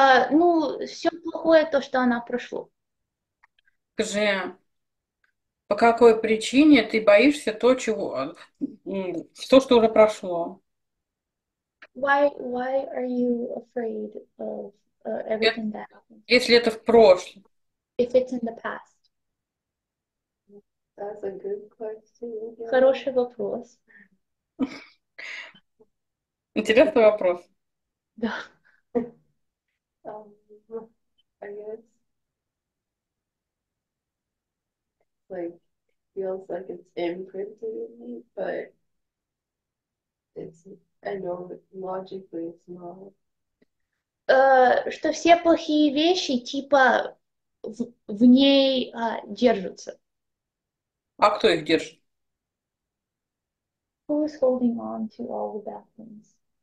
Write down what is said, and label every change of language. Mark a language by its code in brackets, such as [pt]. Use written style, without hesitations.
[ru] ну, все плохое то, что она прошла. Скажи, по какой причине ты боишься то, чего то, что уже прошло? [en] Why are you afraid of everything that happened? [ru] Если это в прошлом. [en] If it's in the past. That's a good question. [ru] Хороший вопрос. Интересный вопрос. Да. [en] I guess like feels like it's imprinted in me, but it's I know logically it's not. [ru] Что все плохие вещи типа в ней держатся. А кто их держит? [en] Who is holding on to all the bad things?